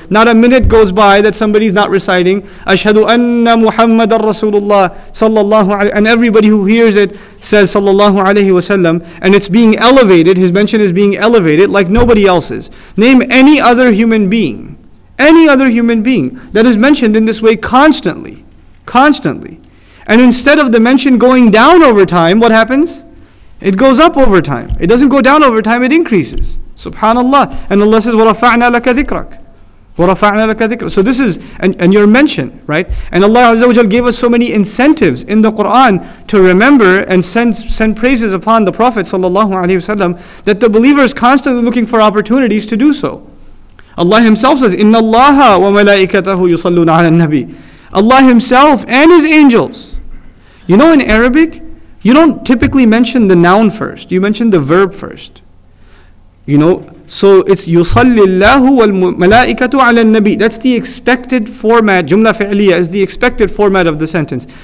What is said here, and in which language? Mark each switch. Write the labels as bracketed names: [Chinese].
[English] Not a minute goes by that somebody's not reciting [Arabic] Ashhadu anna Muhammad Rasulullah [English] sallallahu alayhi, and everybody who hears it says sallallahu alayhi wasallam, and it's being elevated, his mention is being elevated like nobody else's. Name any other human being, any other human being that is mentioned in this way constantly, constantly. And instead of the mention going down over time, what happens? It goes up over time. It doesn't go down over time, it increases. Subhanallah. [Arabic] And Allah says, وَرَفَعْنَا لَكَ ذِكْرَكَ, وَرَفَعْنَا لَكَ ذِكْرَكَ. [English] So this is, and your mention, right? And Allah Azza wa Jal gave us so many incentives in the Qur'an to remember and send praises upon the Prophet sallallahu alayhi wasallam, that the believer is constantly looking for opportunities to do so. Allah Himself says, [Arabic] إِنَّ اللَّهَ وَمَلَائِكَتَهُ يُصَلُّونَ عَلَى النَّبِيِّ. [English] Allah Himself and His angels. You know, in Arabic, you don't typically mention the noun first. You mention the verb first. You know, so it's [Arabic] yusallillahu wal malaikatu ala nabi. [English] That's the expected format. Jumla fi'liya is the expected format of the sentence.